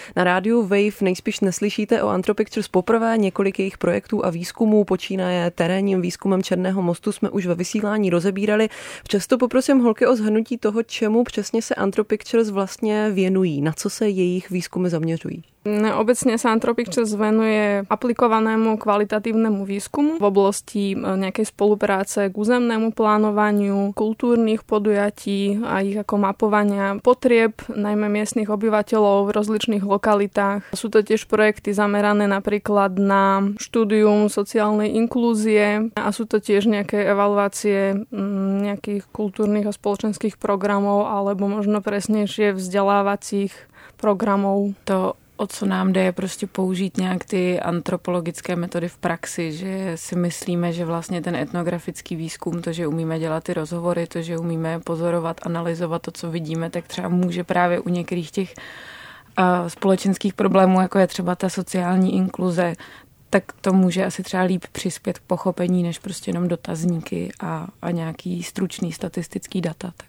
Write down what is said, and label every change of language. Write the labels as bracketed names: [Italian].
[Czech] Na rádiu Wave nejspíš neslyšíte o Anthropictures poprvé, několik jejich projektů a výzkumů, počínaje terénním výzkumem Černého mostu, jsme už ve vysílání rozebírali. Přesto poprosím holky o shrnutí toho, čemu přesně se Anthropictures vlastně věnují, na co se jejich výzkumy zaměřují. [Slovak] Obecne sa Antropic Trust venuje aplikovanému kvalitatívnemu výskumu v oblasti nejakej spolupráce k územnému plánovaniu, kultúrnych podujatí a ich ako mapovania potrieb, najmä miestnych obyvateľov v rozličných lokalitách. Sú to tiež projekty zamerané napríklad na štúdium sociálnej inklúzie a sú to tiež nejaké evaluácie nejakých kultúrnych a spoločenských programov alebo možno presnejšie vzdelávacích programov. [Czech] To o co nám jde, je prostě použít nějak ty antropologické metody v praxi, že si myslíme, že vlastně ten etnografický výzkum, to, že umíme dělat ty rozhovory, to, že umíme pozorovat, analyzovat to, co vidíme, tak třeba může právě u některých těch společenských problémů, jako je třeba ta sociální inkluze, tak to může asi třeba líp přispět k pochopení, než prostě jenom dotazníky a nějaký stručný statistický data.